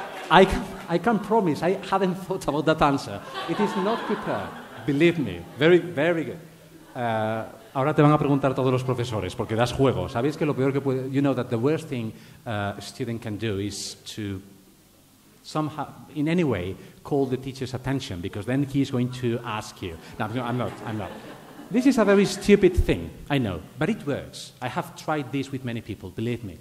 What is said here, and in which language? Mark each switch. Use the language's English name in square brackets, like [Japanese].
[English] I can promise, I haven't thought about that answer. It is not prepared, believe me. Very, very good. [Spanish] Ahora te van a preguntar todos los profesores, porque das juego. ¿Sabéis que lo peor que puede... [English] You know that the worst thing a student can do is to somehow, in any way, call the teacher's attention, because then he's going to ask you. No, I'm not. This is a very stupid thing, I know, but it works. I have tried this with many people, believe me.